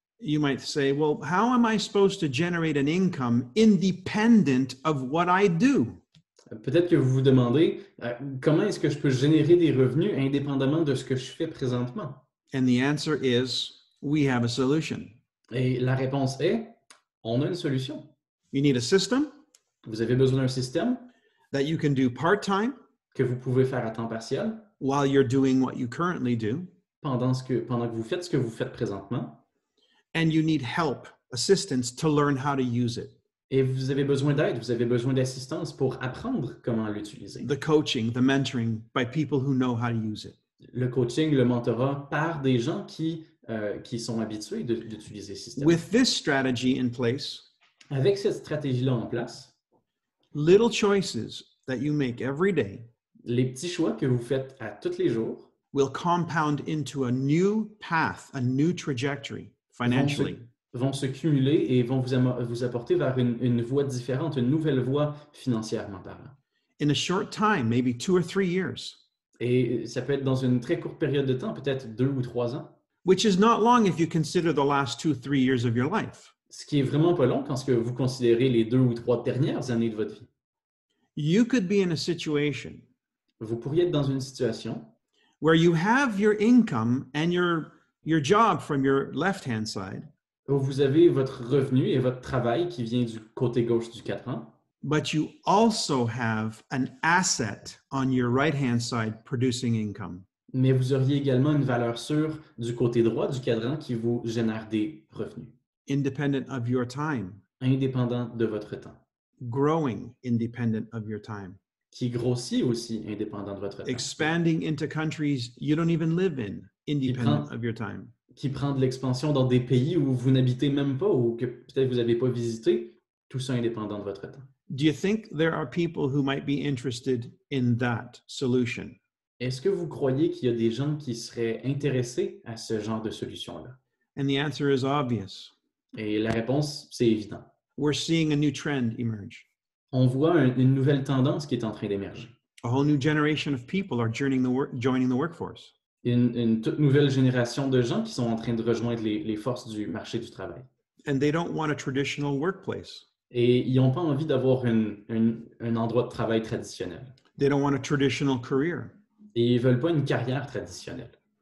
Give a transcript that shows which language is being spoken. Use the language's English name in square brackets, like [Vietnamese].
[English] You might say, well, how am I supposed to generate an income independent of what I do? [French] Peut-être que vous vous demandez, comment est-ce que je peux générer des revenus indépendamment de ce que je fais présentement? [English] And the answer is, we have a solution. [French] Et la réponse est, on a une solution. [English] You need a system. [French] Vous avez besoin d'un système. [English] That you can do part-time. [French] Que vous pouvez faire à temps partiel. [English] While you're doing what you currently do. [French] Pendant que vous faites ce que vous faites présentement. [English] And you need help, assistance, to learn how to use it. [French] Et vous avez besoin d'aide, vous avez besoin d'assistance pour apprendre comment l'utiliser. [English] The coaching, the mentoring, by people who know how to use it. [French] Le coaching, le mentorat par des gens qui sont habitués d'utiliser ce système. [English] With this strategy in place, [French] avec cette stratégie-là en place, [English] little choices that you make every day, [French] les petits choix que vous faites à tous les jours, [English] will compound into a new path, a new trajectory financially. [French] Vont se cumuler et vont vous apporter vers une voie différente, une nouvelle voie financièrement parlant. [English] In a short time, maybe two or three years. [French] Et ça peut être dans une très courte période de temps, peut-être 2 ou 3 ans. [English] Which is not long if you consider the last 2-3 years of your life. [French] Ce qui est vraiment pas long quand ce que vous considérez les 2 ou 3 dernières années de votre vie. [English] You could be in a situation. [French] Vous pourriez être dans une situation [English] where you have your income and your job from your left-hand side. [French] Où vous avez votre revenu et votre travail qui vient du côté gauche du cadran. [English] But you also have an asset on your right-hand side producing income. [French] mais vous auriez également une valeur sûre du côté droit du cadran qui vous génère des revenus. [English] Independent of your time. [French] Indépendant de votre temps. [English] Growing independent of your time. [French] Qui grossit aussi indépendant de votre temps. [English] Expanding into countries you don't even live in, independent of your time. [French] Qui prend de l'expansion dans des pays où vous n'habitez même pas ou que peut-être vous n'avez pas visité, tout ça indépendant de votre temps. [English] Do you think there are people who might be interested in that solution? [French] Est-ce que vous croyez qu'il y a des gens qui seraient intéressés à ce genre de solution-là? [English] And the answer is obvious. [French] Et la réponse, c'est évident. [English] We're seeing a new trend emerge. [French] On voit une nouvelle tendance qui est en train d'émerger. [English] A whole new generation of people are joining the workforce. [French] Une toute nouvelle génération de gens qui sont en train de rejoindre les forces du marché du travail. [English] And they don't want a traditional workplace. [French] Et ils n'ont pas envie d'avoir un endroit de travail traditionnel. [English] They don't want a traditional career. [French] Et ils ne veulent pas une carrière traditionnelle.